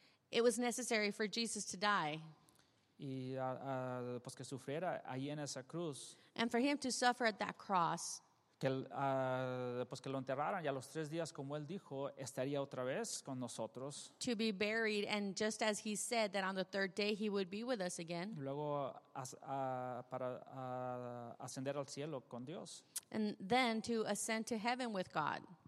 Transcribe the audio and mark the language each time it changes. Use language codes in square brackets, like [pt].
[en] It was necessary for Jesus to die. [es] Y que sufriera ahí en esa cruz. [en] And for him to suffer at that cross. [es] Que lo enterraran y a los tres días, como él dijo, estaría otra vez con nosotros. [en] To be buried, and just as he said that on the third day he would be with us again. [es] Luego para ascender al cielo con Dios. [en] And then to ascend to heaven with God.